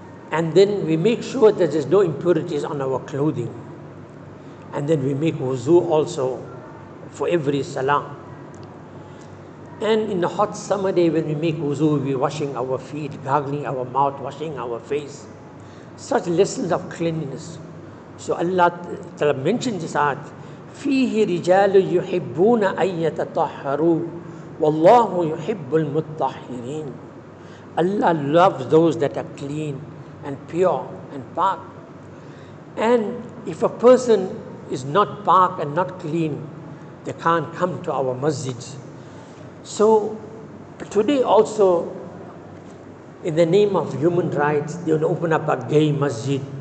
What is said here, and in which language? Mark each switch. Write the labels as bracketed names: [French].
[English] And then we make sure that there's no impurities on our clothing. And then we make wuzu also for every salah. And in the hot summer day when we make wuzu, we're washing our feet, gargling our mouth, washing our face. Such lessons of cleanliness. So Allah Ta'ala mentioned this ayat, [Arabic] فِيهِ رِجَالُ يُحِبُّونَ أَن يَتَطَحَّرُوا وَاللَّهُ يُحِبُّ الْمُتَّحِّرِينَ. [English] Allah loves those that are clean and pure and park. And if a person is not park and not clean, they can't come to our masjids. So today also, in the name of human rights, they will open up a gay masjid.